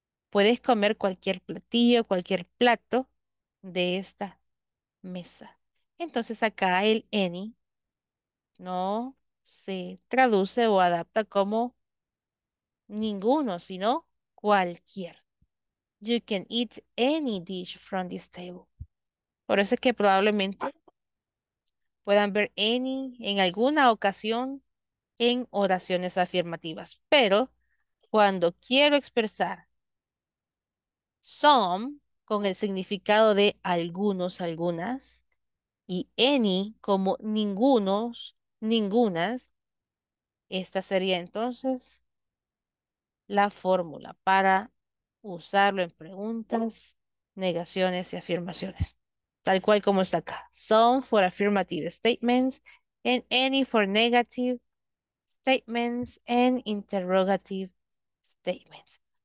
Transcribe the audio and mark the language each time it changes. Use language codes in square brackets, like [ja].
[es] Puedes comer cualquier platillo, cualquier plato de esta mesa. Entonces acá el any no se traduce o adapta como ninguno, sino cualquier. [en] You can eat any dish from this table. [es] Por eso es que probablemente puedan ver any en alguna ocasión en oraciones afirmativas. Pero cuando quiero expresar some con el significado de algunos, algunas, y any como ningunos, ningunas, esta sería entonces la fórmula para usarlo en preguntas, negaciones y afirmaciones. Tal cual como está acá. [en] Some for affirmative statements and any for negative statements and interrogative statements.